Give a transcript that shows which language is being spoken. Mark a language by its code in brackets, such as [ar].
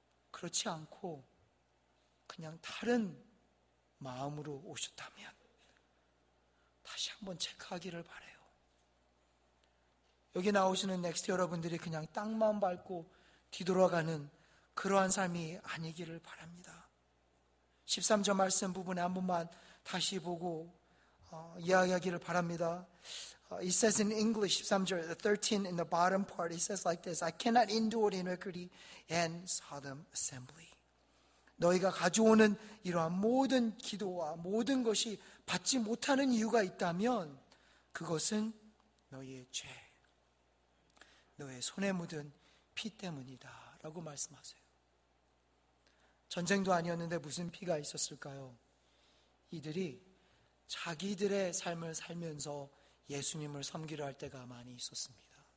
[ko] 그렇지 않고 그냥 다른 마음으로 오셨다면 다시 한번 체크하기를 바라요. 여기 나오시는 넥스트 여러분들이 그냥 땅만 밟고 뒤돌아가는 그러한 삶이 아니기를 바랍니다. 13절 말씀 부분에 한 번만 다시 보고 이야기하기를 바랍니다. [en] It says in English, 13절, the 13 in the bottom part, it says like this, I cannot endure iniquity and Sodom assembly. [ko] 너희가 가져오는 이러한 모든 기도와 모든 것이 받지 못하는 이유가 있다면 그것은 너희의 죄, 너의 손에 묻은 피 때문이다 라고 말씀하세요. 전쟁도 아니었는데 무슨 피가 있었을까요? 이들이 자기들의 삶을 살면서 예수님을 섬기려 할 때가 많이 있었습니다.